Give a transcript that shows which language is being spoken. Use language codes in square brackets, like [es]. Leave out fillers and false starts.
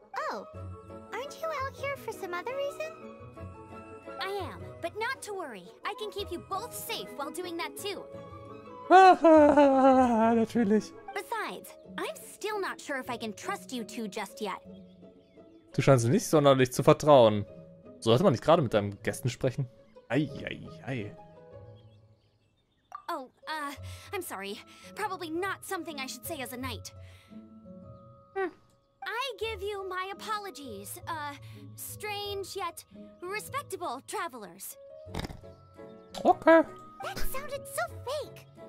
[en] Oh, aren't you out here for some other reason? I am, but not to worry. I can keep you both safe while doing that too. [de] Natürlich. [en] Besides, I'm still not sure if I can trust you two just yet. [de] Du scheinst nicht sonderlich zu vertrauen. Sollte man nicht gerade mit deinen Gästen sprechen? Eieiei. [en] Oh, I'm sorry. Probably not something I should say as a knight. I give you my apologies, strange yet respectable travelers. Okay. That sounded so fake.